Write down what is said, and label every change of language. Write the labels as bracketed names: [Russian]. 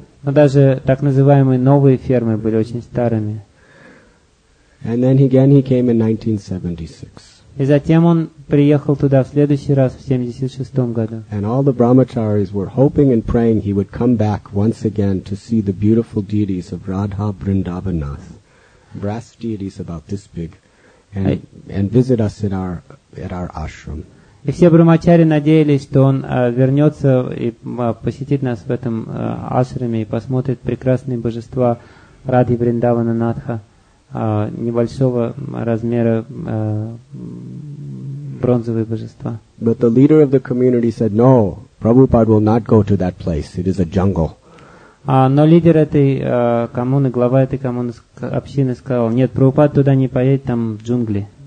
[Russian] Но даже так называемые новые фермы были очень старыми. [English] And then again he came in 1976. [Russian] И затем он приехал туда в следующий раз в 76 году. [English] And all the brahmacharis were hoping and praying he would come back once again to see the beautiful deities of Radha Vrindavanath, brass deities about this big. And visit us at our ashram. [Russian] И все брахмачари надеялись, что он вернется и посетит нас в этом ашраме и посмотрит прекрасные божества Радхи Вриндавана Натха, небольшого размера бронзовые божества. [English] But the leader of the community said, no, Prabhupada will not go to that place. It is a jungle. [Russian] Но лидер этой коммуны, глава этой коммуны общины сказал, нет, Прабхупада туда не поедет, там джунгли.